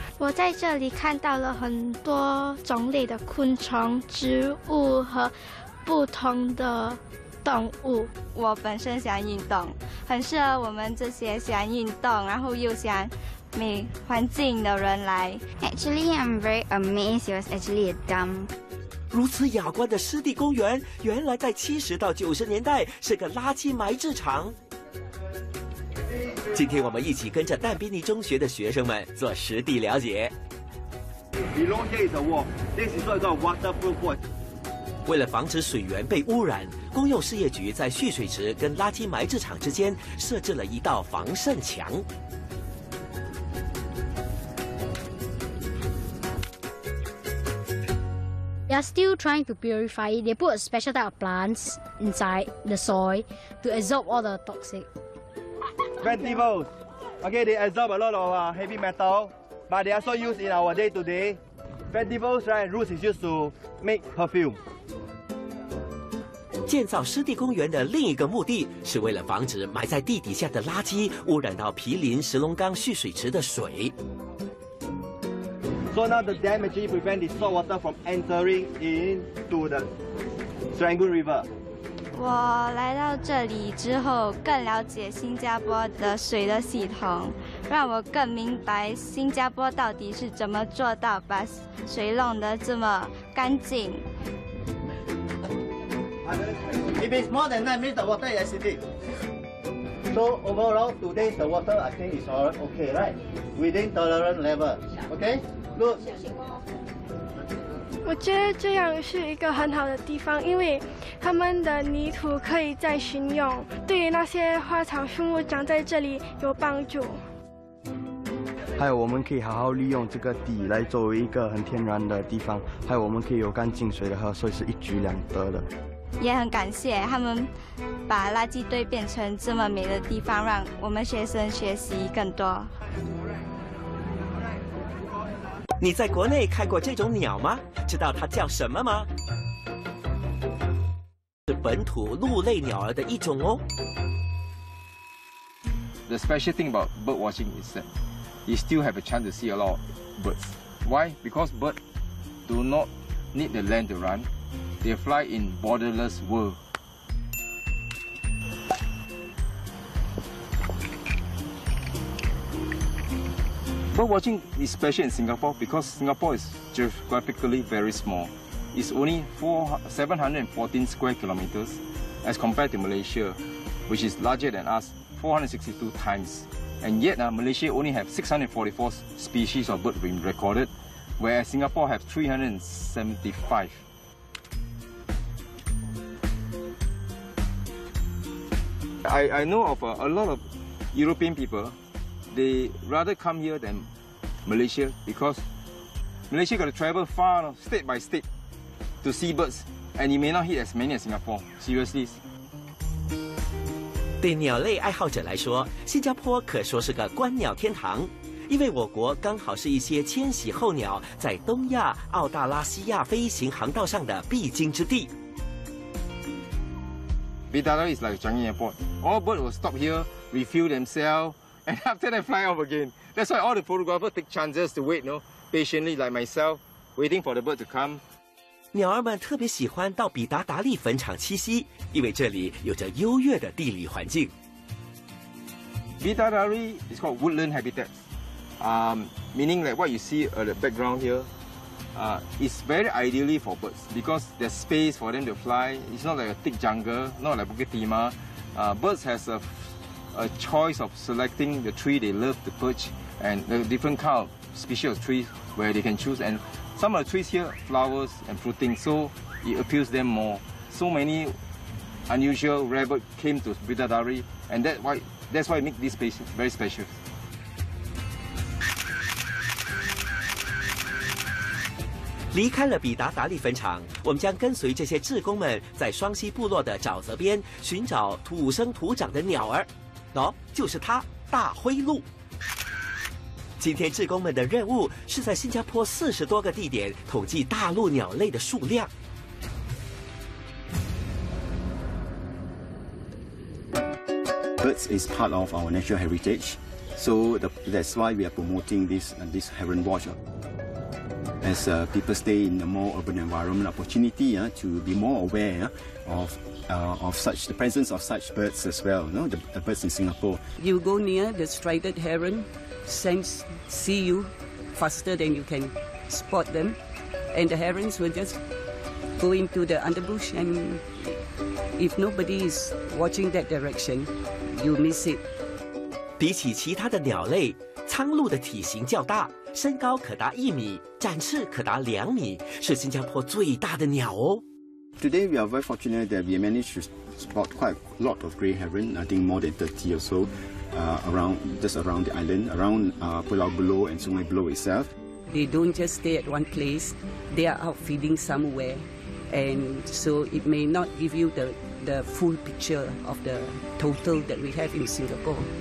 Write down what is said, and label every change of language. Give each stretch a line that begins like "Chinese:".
Chinese: 我在这里看到了很多种类的昆虫、植物和不同的。动物，我本身喜欢运动，很适合我们这些喜欢运动，然后又喜欢美环境的人来。
English: Actually, I'm very amazed. It was actually a dump.
Chinese: 如此雅观的湿地公园，原来在70到90年代是个垃圾埋置场。今天我们一起跟着淡比尼中学的学生们做实地了解。
English: Below here is a wall. This is what I call waterproof wall.
Chinese: 为了防止水源被污染，公用事业局在蓄水池跟垃圾埋置场之间设置了一道防渗墙。
English: They are still trying to purify it. They put a special type of plants inside the soil to absorb all the toxic. Ventibles. Okay, they absorb a lot of heavy metal, but they are also used in our day to day. Ventibles, right? Roots is used to make perfume.
Chinese: 建造湿地公园的另一个目的是为了防止埋在地底下的垃圾污染到毗邻石龙岗蓄水池的水。
English: So now the dam actually prevents the salt water from entering into the Serangoon River.
Chinese: 我来到这里之后，更了解新加坡的水的系统，让我更明白新加坡到底是怎么做到把水弄得这么干净。
English: If it's more than 9 minutes, the water is acidic. So overall, today the water I think is all okay, right? Within tolerance level, okay?
Chinese: 我觉得这样是一个很好的地方，因为他们的泥土可以再巡用，对于那些花草树木长在这里有帮助。还有我们可以好好利用这个底来作为一个很天然的地方，还有我们可以有干净水的喝，所以是一举两得的。也很感谢他们把垃圾堆变成这么美的地方，让我们学生学习更多。你在国内看过这种鸟吗？知道它叫什么吗？是本土鹿类鸟儿的一种哦。
English: The special thing about bird watching is that you still have a chance to see a lot of birds. Why? Because birds do not need the land to run. They fly in borderless world. Bird watching is special in Singapore because Singapore is geographically very small. It's only 714 square kilometers as compared to Malaysia, which is larger than us 462 times. And yet, Malaysia only have 644 species of bird being recorded, whereas Singapore have 375. I know of a lot of European people, they rather come here thanMalaysia, because Malaysia got to travel far, state by state, to see birds, and you may not hit as many as Singapore. Seriously.
Chinese: 对鸟类爱好者来说，新加坡可说是个观鸟天堂，因为我国刚好是一些迁徙候鸟在东亚、澳大拉西亚飞行航道上的必经之地。
English: Bidadari is like Changi Airport. All birds will stop here, refuel themselves. And after they fly off again. That's why all the photographers take chances to wait, you know, patiently like myself, waiting for the bird to come.
Chinese: 鸟儿们特别喜欢到比达达利坟场栖息，因为这里有着优越的地理环境。
English: Bidadari is called woodland habitat, meaning like what you see at the background here, is very ideally for birds because there's space for them to fly. It's not like a thick jungle, not like Bukit Timah. Birds has a choice of selecting the tree they love to perch and the different kind of species of trees where they can choose. And some of the trees here, flowers and fruiting, so it appeals them more. So many unusual rare birds came to Bidadari, and that's why it makes this place very special.
Chinese: 离开了比达达利坟场，我们将跟随这些志工们在双溪部落的沼泽边寻找土生土长的鸟儿。喏，就是它，大灰鹭。今天志工们的任务是在新加坡40多个地点统计大陆鸟类的数量。
English: Birds is part of our natural heritage, so that's why we are promoting this heron watch. As people stay in a more urban environment, opportunity to be more aware of. Of such the presence of such birds as well, you know, the birds in Singapore. You go near the striated heron, see you faster than you can spot them, and the herons will just go into the underbrush. And if nobody is watching that direction, you miss it.
Chinese: 比起其他的鸟类，苍鹭的体型较大，身高可达1米，展翅可达2米，是新加坡最大的鸟哦。
English: Today we are very fortunate that we managed to spot quite a lot of grey heron, I think more than 30 or so, around the island, around Pulau Buloh and Sungai Buloh itself. They don't just stay at one place, they are out feeding somewhere, and so it may not give you the full picture of the total that we have in Singapore.